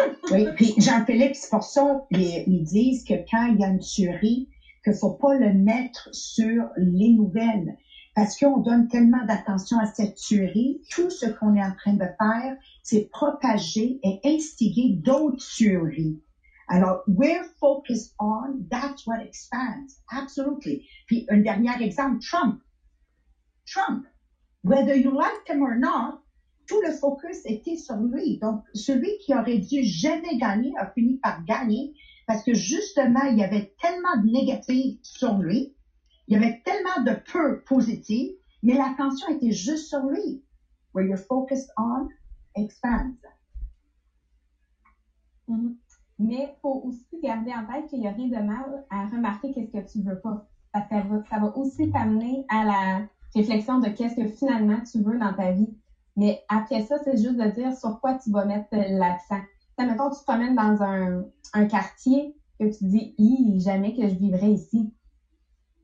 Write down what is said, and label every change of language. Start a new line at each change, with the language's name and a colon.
French: Oui, puis Jean-Philippe, c'est pour ça qu'ils disent que quand il y a une tuerie, qu'il ne faut pas le mettre sur les nouvelles. Parce qu'on donne tellement d'attention à cette tuerie, tout ce qu'on est en train de faire, c'est propager et instiguer d'autres tueries.
English: Alors, we're focused on, that's what expands. Absolutely.
French: Puis, un dernier exemple, Trump. Trump,
English: whether you like him or not,
French: tout le focus était sur lui. Donc, celui qui aurait dû jamais gagner a fini par gagner parce que justement, il y avait tellement de négatifs sur lui. Il y avait tellement de peur positive, mais l'attention était juste sur lui.
English: Where you're focused on expands. Mm-hmm.
French: Mais il faut aussi garder en tête qu'il n'y a rien de mal à remarquer qu'est-ce que tu ne veux pas. Parce que ça va aussi t'amener à la réflexion de qu'est-ce que finalement tu veux dans ta vie. Mais après ça, c'est juste de dire sur quoi tu vas mettre l'accent. Ça, mettons, tu te promènes dans un quartier que tu dis « Ih, jamais que je vivrai ici ».